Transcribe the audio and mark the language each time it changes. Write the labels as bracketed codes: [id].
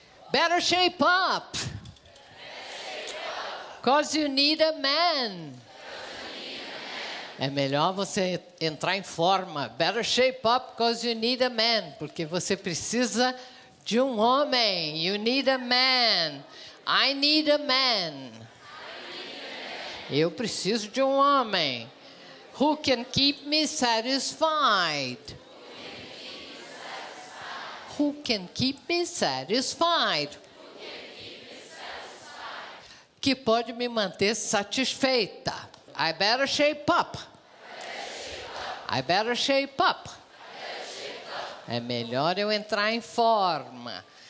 [en] Better shape up, cause you need a man. [pt] É melhor você entrar em forma. [en] Better shape up, cause you need a man. [pt] Porque você precisa de um homem. [en] You need a man. I need a man. [pt] Eu preciso de um homem. [en] Who can keep me satisfied? Who can keep me satisfied? [pt] Que pode me manter satisfeita. [en] I better shape up. I better shape up. [pt] É melhor eu entrar em forma.